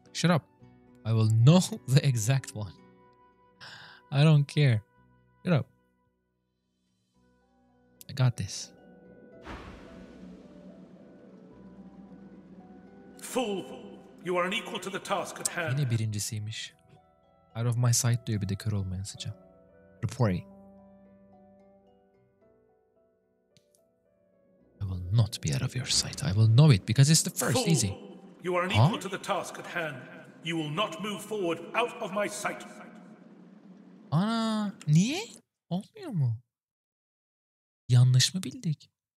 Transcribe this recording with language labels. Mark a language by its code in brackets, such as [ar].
[en] Shut up. I will know the exact one. I don't care. Shut up. I got this. Fool, you are unequal to the task at hand. [tr] Yine birincisiymiş. [en] Out of my sight [tr] diyor, bir de kör olmayan sıca. [en] Reporting. I will not be out of your sight. I will know it because it's the first. Fool, easy. You are unequal to the task at hand. You will not move forward out of my sight. [tr] Ana, niye? Olmuyor mu? Yanlış mı bildik?